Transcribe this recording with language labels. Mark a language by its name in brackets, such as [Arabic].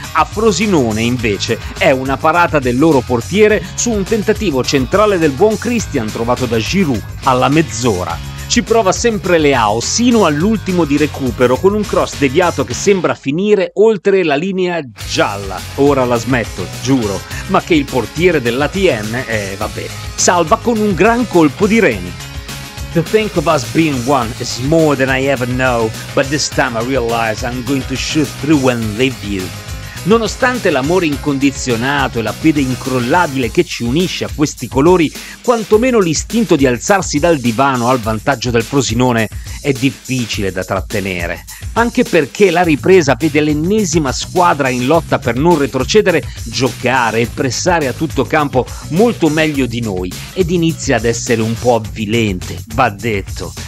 [Italian] A Frosinone, invece, è una parata del loro portiere su un tentativo centrale del buon Christian trovato da Giroud alla mezz'ora. Ci prova sempre Leao, sino all'ultimo di recupero, con un cross deviato che sembra finire oltre la linea gialla. Ora la smetto, giuro. Ma che il portiere dell'ATM, vabbè, salva con un gran colpo di reni. [English] To think of us being one is more than I ever know, but this time I realize I'm going to shoot through and leave you. [Italian] Nonostante l'amore incondizionato e la fede incrollabile che ci unisce a questi colori, quantomeno l'istinto di alzarsi dal divano al vantaggio del Frosinone è difficile da trattenere. Anche perché la ripresa vede l'ennesima squadra in lotta per non retrocedere, giocare e pressare a tutto campo molto meglio di noi ed inizia ad essere un po' avvilente, va detto.